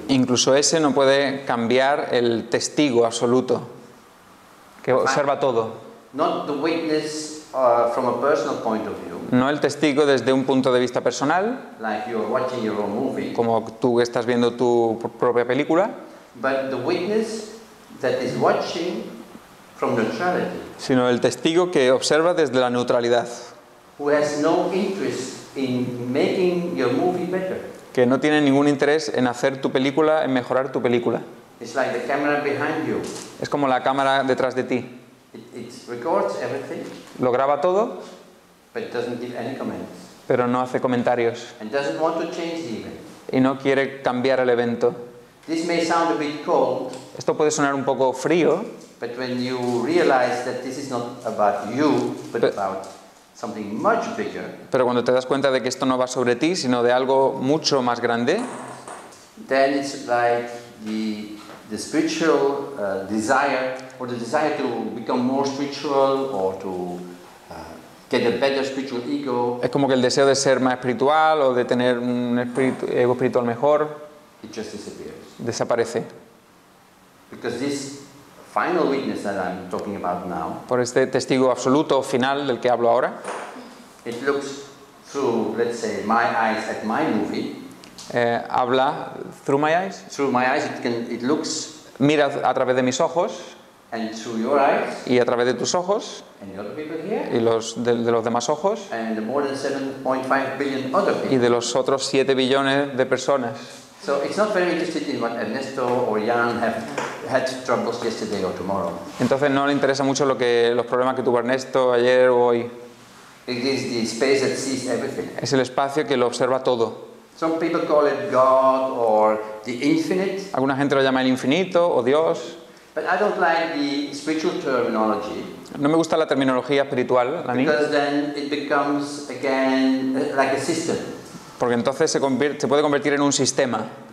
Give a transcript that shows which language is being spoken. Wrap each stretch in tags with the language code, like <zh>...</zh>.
<es>Incluso ese no puede cambiar el testigo absoluto que observa todo.</es> <en>Not the witness from a personal point of view.</en> <es>No el testigo desde un punto de vista personal.</es> <en>Like you are watching your own movie.</en> <es>Como tú estás viendo tu propia película.</es> <en>But the witness that is watching from neutrality.</en> <es>Sino el testigo que observa desde la neutralidad.</es> <en>Who has no interest in making your movie better.</en> <es>Que no tiene ningún interés en hacer tu película, en mejorar tu película.</es> <en>It's like the camera behind you.</en> <es>Es como la cámara detrás de ti.</es> <en>It records everything.</en> <es>Lo graba todo.</es> <en>But it doesn't give any comments.</en> <es>Pero no hace comentarios.</es> <en>And doesn't want to change the event.</en> <es>Y no quiere cambiar el evento.</es> <en>This may sound a bit cold.</en> <es>Esto puede sonar un poco frío.</es> <en>But when you realize that this is not about you, but about something much bigger.</en> <es>Pero cuando te das cuenta de que esto no va sobre ti, sino de algo mucho más grande,</es> <en>then it's like the spiritual desire, or the desire to become more spiritual, or to get a better spiritual ego.</en> <es>Es como que el deseo de ser más espiritual o de tener un ego espiritual mejor,</es> <en>it just disappears.</en> <es>Desaparece.</es> <en>Because this final witness that I'm talking about now.</en> <es>Por este testigo absoluto final del que hablo ahora.</es> <en>It looks through, let's say, my eyes at my movie.</en> <es>Habla</es> <en>through my eyes. Through my eyes, it looks.</en> <es>Mira a través de mis ojos.</es> <en>And through your eyes.</en> <es>Y a través de tus ojos.</es> <en>And the other people here.</en> <es>Y los de los demás ojos.</es> <en>And the more than 7.5 billion other people.</en> <es>Y de los otros 7 billones de personas.</es> <en>So it's not very interested in what Ernesto or Jan have had troubles yesterday or tomorrow.</en> <es>Entonces no le interesa mucho los problemas que tuvo Ernesto ayer o hoy.</es> <en>It is the space that sees everything.</en> <es>Es el espacio que lo observa todo.</es> <en>Some people call it God or the infinite.</en> <es>Alguna gente lo llama el infinito o Dios.</es> <en>But I don't like the spiritual terminology.</en> <es>No me gusta la terminología espiritual.</es> <en>Because then it becomes again like a system.</en> <es>Porque entonces se puede convertir en un sistema.</es>